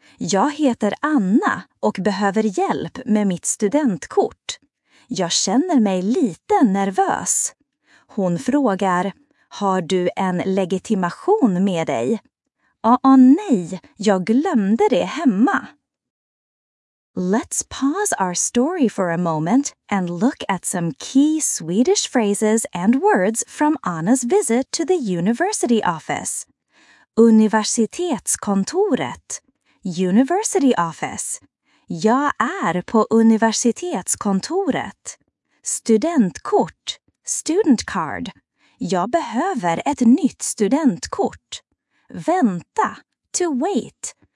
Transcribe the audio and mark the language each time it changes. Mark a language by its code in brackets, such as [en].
[sv] Jag heter Anna och behöver hjälp med mitt studentkort. Jag känner mig lite nervös. Hon frågar, har du en legitimation med dig? Nej, jag glömde det hemma. [en] Let's pause our story for a moment and look at some key Swedish phrases and words from Anna's visit to the university office. [sv] Universitetskontoret. [en] University office. [sv] Jag är på universitetskontoret. Studentkort. [en] Student card. [sv] Jag behöver ett nytt studentkort. Vänta. [en] To wait.